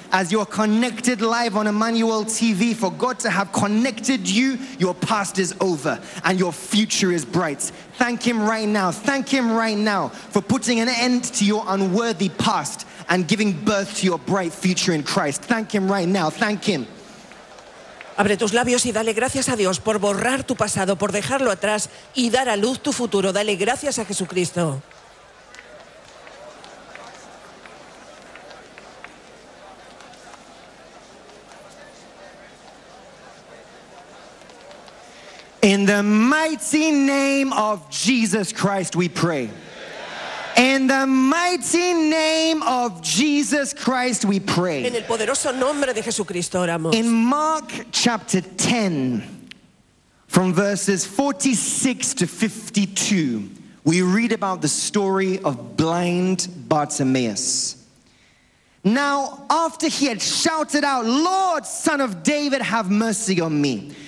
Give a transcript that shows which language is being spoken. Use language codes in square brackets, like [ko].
[en] As you are connected live on Emmanuel TV, for God to have connected you, your past is over and your future is bright. Thank Him right now. Thank Him right now for putting an end to your unworthy past and giving birth to your bright future in Christ. Thank Him right now. Thank Him. [es] Abre tus labios y dale gracias a Dios por borrar tu pasado, por dejarlo atrás y dar a luz tu futuro. Dale gracias a Jesucristo. [en] In the mighty name of Jesus Christ we pray. In the mighty name of Jesus Christ we pray. [es] En el poderoso nombre de Jesucristo oramos. [en] In Mark chapter 10, from verses 46 to 52, we read about the story of blind Bartimaeus. Now, after he had shouted out, Lord, Son of David, have mercy on me.